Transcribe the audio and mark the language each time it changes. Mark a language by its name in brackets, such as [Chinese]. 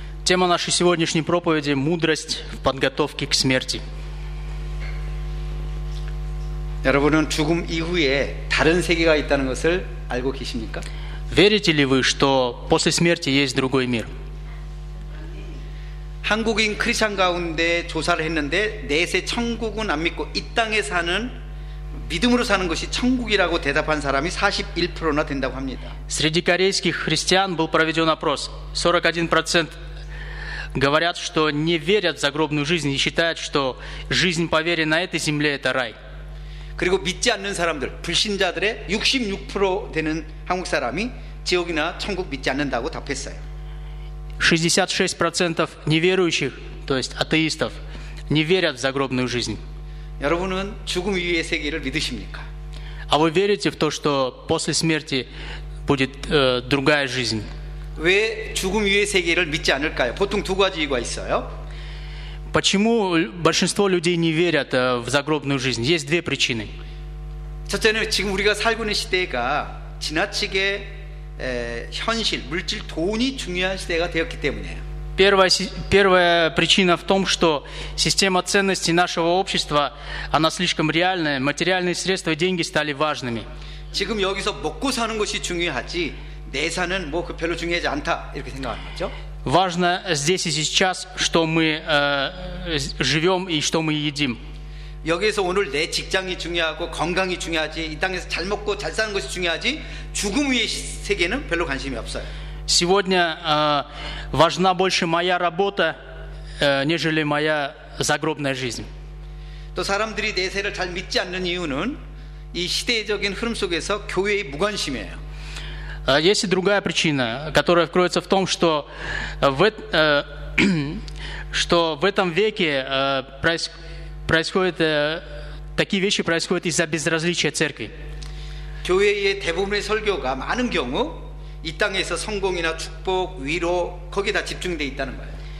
[Russian] Тема нашей сегодняшней проповеди – мудрость в подготовке к смерти. [Korean] 여러분은 죽음 이후에 다른 세계가 있다는 것을 알고 계십니까? [Russian] Верите ли вы, что после смерти есть другой мир? [Korean] 한국인 크리스천 가운데 조사를 했는데 내세 천국은 안 믿고 이 땅에 사는 믿음으로 사는 것이 천국이라고 대답한 사람이 41%나 된다고 합니다. [Russian] Среди корейских христиан был проведен опрос. 41% говорят, что не верят в загробную жизнь и считают, что жизнь по вере на этой земле это рай. [Korean] 그리고 믿지 않는 사람들, 불신자들의 66% 되는 한국 사람이 지옥이나 천국 믿지 않는다고 답했어요. [Russian] 66% неверующих, то есть атеистов, не верят в загробную жизнь. [Korean] 여러분은 죽음 이후의 세계를 믿으십니까? [Russian] А вы верите в то, что после смерти будет другая жизнь? [Korean] 왜 죽음 이후의 세계를 믿지 않을까요? 보통 두 가지 이유가 있어요. [Russian] Почему большинство людей не верят в загробную жизнь? Есть две причины. [Korean] 첫째는 지금 우리가 살고 있는 시대가 지나치게 현실, 물질, 돈이 중요한 시대가 되었기 때문이에요. [Russian] Первая причина в том, что система ценностей нашего общества, она слишком реальная, материальные средства и деньги стали важными. [Korean] 지금 여기서 먹고 사는 것이 중요하지, 내사는 뭐 별로 중요하지 않다 이렇게 생각하는 거죠. [Russian] Важно здесь и сейчас, что мы живем и что мы едим. [Korean] 여기에서 오늘 내 직장이 중요하고 건강이 중요하지, 이 땅에서 잘 먹고 잘 사는 것이 중요하지, 죽음 위의 세계는 별로 관심이 없어요. [Russian] Сегодня важна больше моя работа, нежели моя загробная жизнь. [Korean] 또 사람들이 내세를 잘 믿지 않는 이유는 이 시대적인 흐름 속에서 교회의 무관심이에요. [Russian] Есть и другая причина, которая кроется в том, что в этом веке происходят такие вещи происходят из-за безразличия церкви. [Korean] 교회의 대부분의 설교가 많은 경우 이 땅에서 성공이나 축복, 위로 거기에 다 집중되어 있다는 거예요.